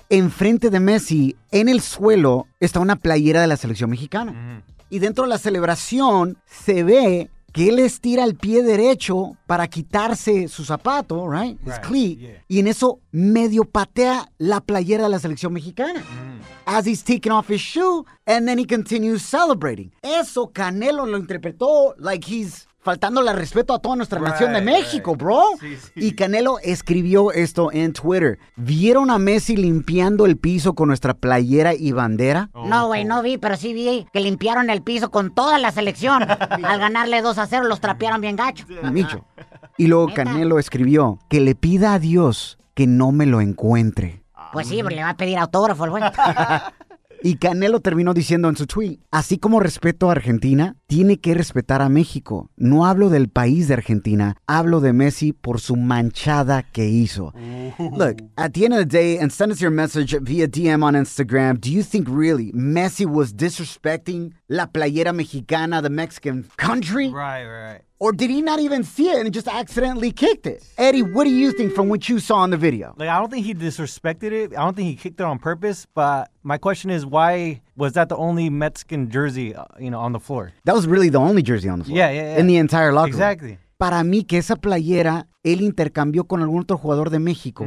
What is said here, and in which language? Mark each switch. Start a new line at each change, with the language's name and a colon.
Spanish: Enfrente de Messi, en el suelo, está una playera de la selección mexicana. Mm-hmm. Y dentro de la celebración, se ve que él estira el pie derecho para quitarse su zapato,
English: right? His right. cleat. Yeah.
Spanish: Y en eso, medio patea la playera de la selección mexicana. Mm-hmm.
English: As he's taking off his shoe, and then he continues celebrating.
Spanish: Eso Canelo lo interpretó
English: like he's
Spanish: faltándole al respeto a toda nuestra
English: right,
Spanish: nación de México,
English: right. bro.
Spanish: Sí, sí. Y Canelo escribió esto en Twitter. ¿Vieron a Messi limpiando el piso con nuestra playera y bandera? Oh, no, güey, no vi, pero sí vi que limpiaron el piso con toda la selección. Al ganarle 2-0, los trapearon bien gacho. Micho. Y luego Canelo escribió, que le pida a Dios que no me lo encuentre. Pues sí, porque le va a pedir autógrafo, güey. Y Canelo terminó diciendo en su tweet, así como respeto a Argentina, tiene que respetar a México. No hablo del país de Argentina, hablo de Messi por su manchada que hizo.
English: Look, at the end of the day, and send us your message via DM on Instagram, do you think really Messi was disrespecting
Spanish: la playera mexicana,
English: the Mexican country? Right. Or did he not even see it and just accidentally kicked it? Eddie, what do you think from what you saw in the video? Like, I don't think he disrespected it. I don't think he kicked it on purpose. But my question is, why was that the only Mexican jersey, you know, on the floor? That was really the only jersey on the floor. Yeah. In the entire locker exactly.
Spanish: room. Para mí que esa playera, él intercambió con algún otro jugador de México.